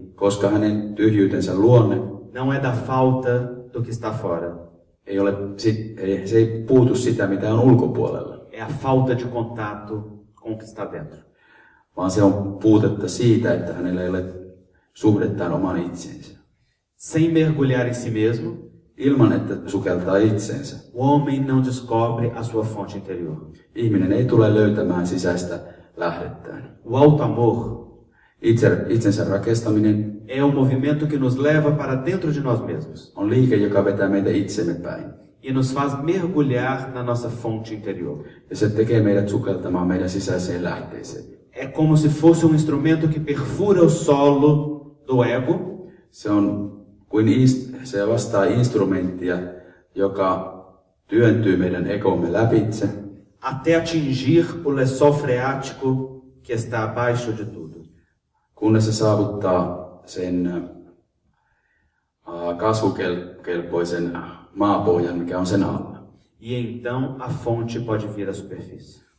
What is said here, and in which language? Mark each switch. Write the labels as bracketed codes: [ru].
[fi] Koska hänen tyhjyytensä luonne. [pt] Não é da falta do que está fora. [fi] Ei ole, se ei puutu sitä, mitä on ulkopuolella. [pt] É a falta de contato com o que está dentro. [fi] Vaan se on puutetta siitä, että hänellä ei ole suhdettaan oman itsensä. [pt] Sem mergulhar em si mesmo. [fi] Ilman, että sukeltaa itsensä. [pt] O homem não descobre a sua fonte interior. [fi] Ihminen ei tule löytämään sisäistä lähdettään. [pt] O alto amor. [fi] Itsensä rakastaminen. [pt] É um movimento que nos leva para dentro de nós mesmos. [fi] On liike, joka vetää meitä itsemme päin. [pt] E nos faz mergulhar na nossa fonte interior. [fi] Ja se tekee meidät sukeltamaan meidän sisäiseen lähteeseen. [pt] É como se fosse um instrumento que perfura o solo do ego. [fi] Se on kuin se vastaa instrumenttia, joka työntyy meidän egomme läpitse. [pt] Até atingir o lençol freático que está abaixo de tudo. [fi] Kunnes se saavuttaa sen kasvukelpoisen maapohjan, mikä on sen alla. [pt] E então a fonte pode vir à superfície.